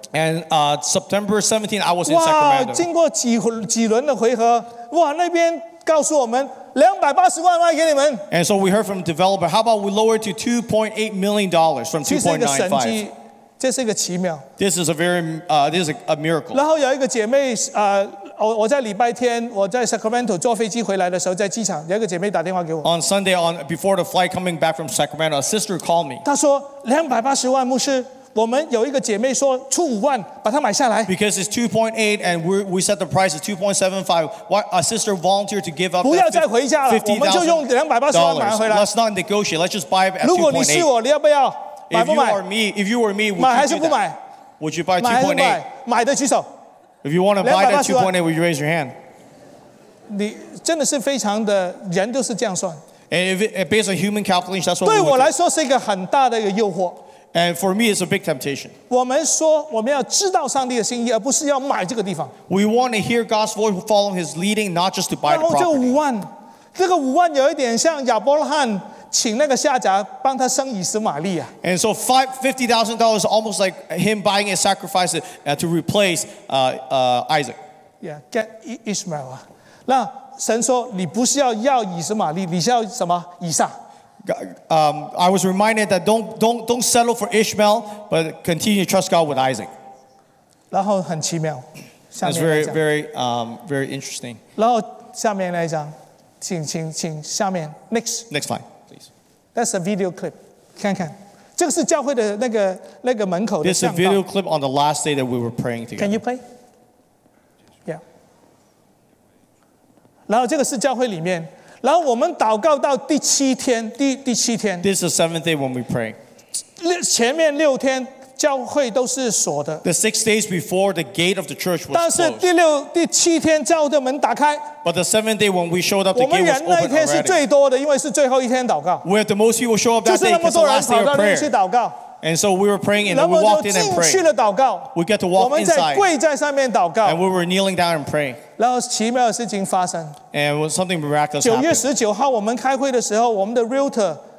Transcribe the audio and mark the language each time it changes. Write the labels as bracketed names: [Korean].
[English] And September 17, I was in Sacramento. [Chinese] 哇，经过几轮的回合，哇，那边告诉我们280万卖给你们。 [English] And so we heard from the developer, how about we lower it to $2.8 million from 2.95. This is a very, this is a miracle. [Chinese] 然后有一个姐妹，我在礼拜天，我在 Sacramento 坐飞机回来的时候，在机场有一个姐妹打电话给我。 [English] On Sunday, before the flight coming back from Sacramento, a sister called me. [Chinese] 她说280万，牧师，我们有一个姐妹说出5万，把它买下来。 [English] Because it's 2.8 and we set the price at 2.75. What a sister volunteered to give up. [Chinese] 不要再回家了，我们就用280万买回来。 [English] Let's not negotiate. Let's just buy it at 2.8. [Chinese] 如果你是我，你要不要？ [English] If you were me, would you do that? Would you buy 2.8? If you want to buy that 2.8, would you raise your hand? And based on human calculation, that's what we would do. And for me, it's a big temptation. We want to hear God's voice, follow His leading, not just to buy the property. [Chinese] 然后这个五万，这个五万有一点像亚伯拉罕请那个下家帮他生以实玛利亚。 [English] And so $50,000 is almost like him buying a sacrifice to replace Isaac. Yeah, get Ishmael. [Chinese] 那神说你不是要以实玛利，你是要什么？以撒。 [English] I was reminded that don't settle for Ishmael, but continue to trust God with Isaac. [Chinese] 然后很奇妙。 [English] That's very very very interesting. [Chinese] 然后下面那一张，请下面 next [English] line. That's a video clip. [Chinese] 看看，这个是教会的那个门口的向导。 [English] This is a video clip on the last day that we were praying together. Can you play? Yeah. [Chinese] 然后这个是教会里面，然后我们祷告到第七天。 [English] This is the seventh day when we pray. [Chinese] 前面六天教会都是锁的。 [English] The 6 days before the gate of the church was closed. [Chinese] 但是第七天教会的门打开。 [English] But the seventh day when we showed up, the gate was open already. [Chinese] 我们人那一天是最多的，因为是最后一天祷告。 [English] We had the most people show up that day because the last day of prayer. [Chinese] 去祷告。 [English] And so we were praying and we walked in and prayed. [Chinese] 进去了祷告。 [English] We get to walk inside. [Chinese] 我们在跪在上面祷告。 [English] And we were kneeling down and praying. [Chinese] 然后奇妙的事情发生。 [English] And when something miraculous happened. [Chinese] 9月19号我们开会的时候，我们的 realtor。